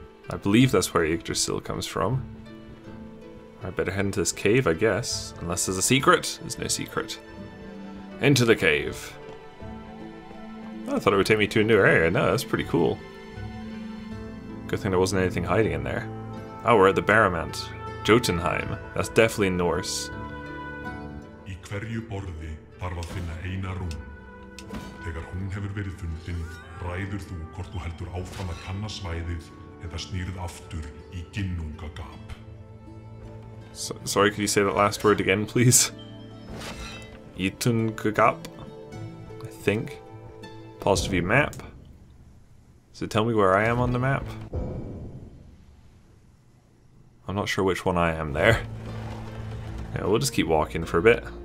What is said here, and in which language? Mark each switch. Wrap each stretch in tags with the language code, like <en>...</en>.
<en>I believe that's where Yggdrasil comes from. I better head into this cave, I guess. Unless there's a secret? There's no secret. Into the cave. Oh, I thought it would take me to a new area. No, that's pretty cool. Good thing there wasn't anything hiding in there. Oh, we're at the Barrowmount. Jotunheim. That's definitely Norse.</en> <is>Í hverju borði þarf að finna eina rún. Þegar hún hefur verið fundin, ræður þú hvort þú heldur áfram að kanna svæðið eða snýrð aftur í Ginnungagap.</is> <en>Sorry, could you say that last word again, please? Ginnungagap? I think. Pause to view map. So tell me where I am on the map. I'm not sure which one I am there. Yeah, we'll just keep walking for a bit.</en>